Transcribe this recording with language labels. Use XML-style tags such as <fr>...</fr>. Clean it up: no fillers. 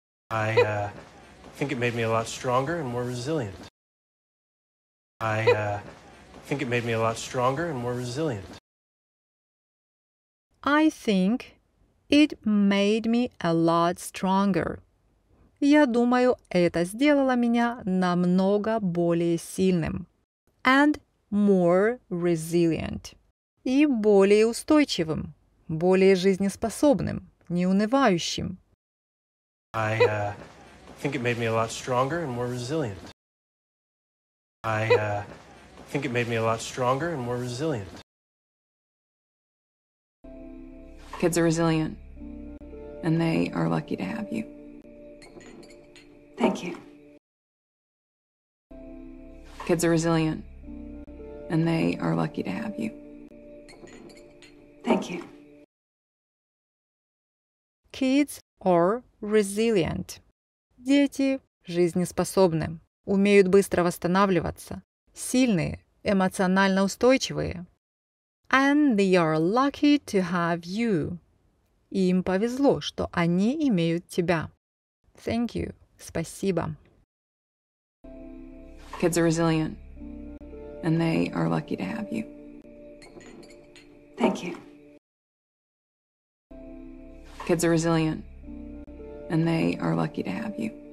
<en>I think it made me a lot stronger and more resilient. I think it made me a lot stronger and more resilient. I think it made me a lot stronger.</en> <ru>Я думаю, это сделало меня намного более сильным.</ru> <en>And more resilient.</en> <ru>И более устойчивым, более жизнеспособным, неунывающим.</ru> <en>I think it made me a lot stronger and more resilient. I think it made me a lot stronger and more resilient. Kids are resilient, and they are lucky to have you. Thank you. Kids are resilient, and they are lucky to have you. Thank you. Kids are resilient.</en> <ru>Дети жизнеспособны, умеют быстро восстанавливаться, сильные, эмоционально устойчивые.</ru> <en>And they are lucky to have you.</en> <ru>И им повезло, что они имеют тебя.</ru> <en>Thank you.</en> <ru>Спасибо.</ru> <en>Kids are resilient, and they are lucky to have you. Thank you. Kids are resilient, and they are lucky to have you.</en>